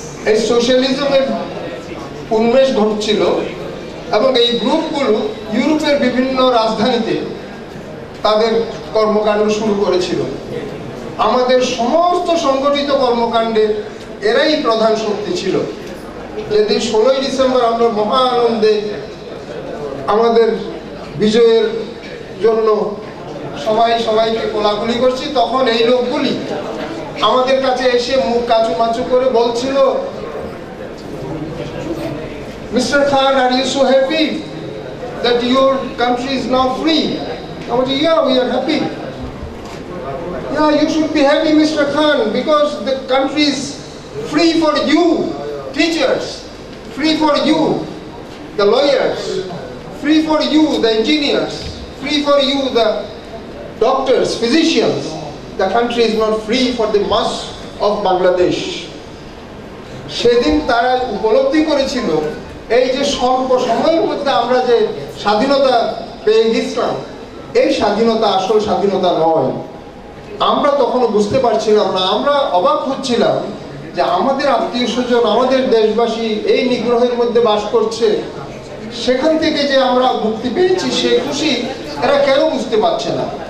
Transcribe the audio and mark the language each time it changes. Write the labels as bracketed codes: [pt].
[bn] এই সোশ্যালিজমের উন্মেষ ঘটছিল এবং এই গ্রুপগুলো ইউরোপের বিভিন্ন রাজধানীতে তাদের কর্মকাণ্ড শুরু করেছিল আমাদের সমস্ত সংগঠিত কর্মকাণ্ডের এরাই প্রধান শক্তি ছিল যেদিন 16 ডিসেম্বর আমরা মহা আনন্দে আমাদের বিজয়ের জন্য সবাই সবাইকে কোলাকুলি করছি তখন এই লোকগুলি আমাদের কাছে এসে মুখ কাচু মাচু করে বলছিল Mr. [en] Khan, are you so happy that your country is now free? I was like, yeah, we are happy. Yeah, you should be happy, Mr. Khan, because the country is free for you, teachers, free for you, the lawyers, free for you, the engineers, free for you, the doctors, physicians. The country is not free for the mass of Bangladesh. [bn] সেদিন তারা উপলব্ধি করেছিল এই যে স্বল্প সময়ের মধ্যে আমরা যে স্বাধীনতা পেয়ে গেছিলাম এই স্বাধীনতা আসল স্বাধীনতা নয় আমরা তখন বুঝতে পারছিলাম না আমরা অবাক হচ্ছিলাম যে আমাদের আত্মীয় স্বজন আমাদের দেশবাসী এই নিগ্রহের মধ্যে বাস করছে সেখান থেকে যে আমরা মুক্তি পেয়েছি সে খুশি এরা কেন বুঝতে পারছে না